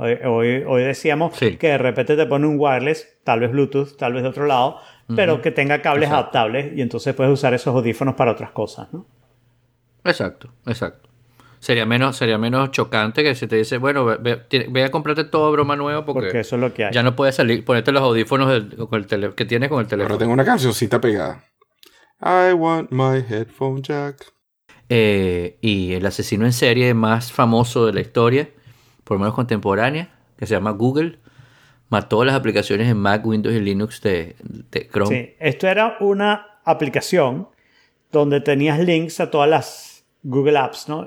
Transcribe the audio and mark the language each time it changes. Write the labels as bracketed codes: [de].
[es] Hoy decíamos que de repente te pone un wireless, tal vez Bluetooth, tal vez de otro lado, pero que tenga cables adaptables, y entonces puedes usar esos audífonos para otras cosas, ¿no? Exacto. Sería menos chocante que si te dice, bueno, ve a comprarte todo broma nuevo porque eso es lo que hay. Ya no puedes salir, ponerte los audífonos que tienes con el teléfono. Ahora tengo una cancioncita pegada. [en] I want my headphone jack. [es] Y el asesino en serie más famoso de la historia, por lo menos contemporánea, que se llama Google, mató las aplicaciones en Mac, Windows y Linux de Chrome. Sí, esto era una aplicación donde tenías links a todas las Google Apps, ¿no?